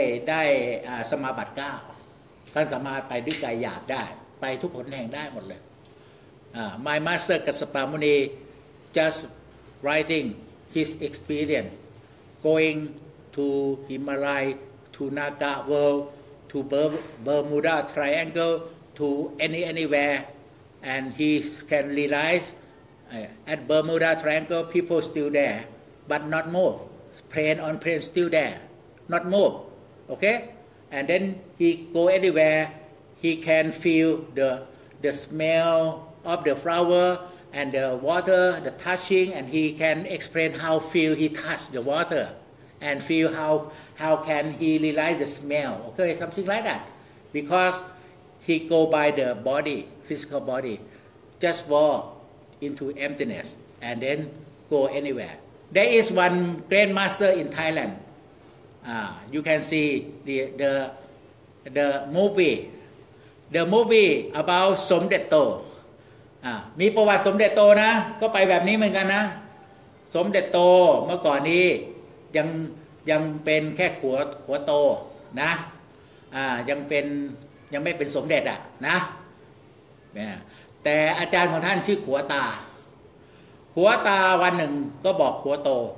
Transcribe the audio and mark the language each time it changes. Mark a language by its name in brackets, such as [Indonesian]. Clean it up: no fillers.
[Thai] ด้สมาบัติ9ท่านสามารถไปด้วยกายอยากได้ไปทุกหนแห่งได้หมดเลย [English] My master Kassapa Muni just writing his experience going to Himalaya, to Naga world, to Bermuda Triangle, to anywhere, and he can realize at Bermuda Triangle people still there, but not more. Plane on plane still there, not more. Okay, and then he go anywhere, he can feel the smell. Of the flower and the water, the touching, and he can explain how feel he touch the water, and feel how can he realize the smell. Okay, something like that, because he go by the body, physical body, just walk into emptiness and then go anywhere. There is one great master in Thailand. You can see the movie about Somdet Tho. [Thai] มีประวัติสมเด็จโตนะก็ไปแบบนี้เหมือนกันนะสมเด็จโตเมื่อก่อนนี้ยังเป็นแค่ขัวโตนะยังไม่เป็นสมเด็จอะนะแต่อาจารย์ของท่านชื่อขัวตาวันหนึ่งก็บอกขัวโต